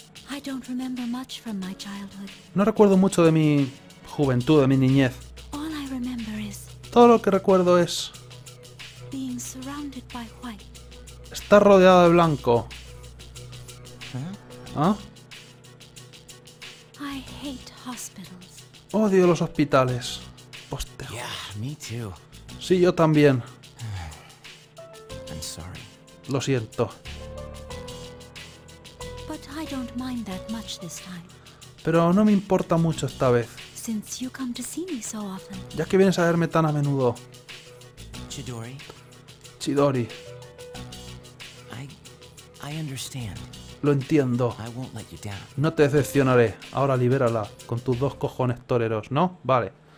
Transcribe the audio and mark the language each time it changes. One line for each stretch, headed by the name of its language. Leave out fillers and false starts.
English: I don't remember much from my childhood.
Spanish: No recuerdo mucho de mi juventud, de mi niñez.
English: All I remember is...
Spanish: Todo lo que recuerdo es...
English: Being surrounded by white.
Spanish: Está rodeada de blanco.
English: ¿Ah? I hate hospitals.
Spanish: Odio los hospitales. Hostia.
English: Yeah, me too.
Spanish: Sí, yo también.
English: I'm sorry.
Spanish: Lo siento.
English: But I don't mind that much this time.
Spanish: Pero no me importa mucho esta vez.
English: Since you come to see me so often.
Spanish: Ya que vienes a verme tan a menudo. Chidori. Chidori.
English: I understand.
Spanish: Lo entiendo.
English: I won't let you down.
Spanish: No te decepcionaré. Ahora libérala con tus dos cojones toreros, ¿no? Vale.